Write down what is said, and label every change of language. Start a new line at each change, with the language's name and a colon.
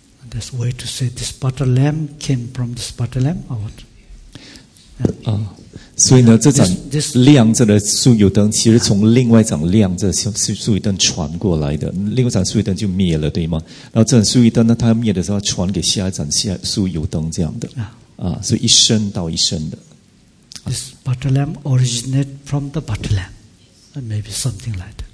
English: There's a way to say this butter lamp came from this butter lamp or what? Yeah.
Chinese: 所以呢，这盏亮着的酥油灯其实从另外一盏亮着的酥油灯传过来的，另外一盏酥油灯就灭了，对吗？然后这盏酥油灯呢，它要灭的时候传给下一盏酥油灯这样的。所以一生到一生的。
English: This butter lamp originate from the butter lamp, and maybe something like that.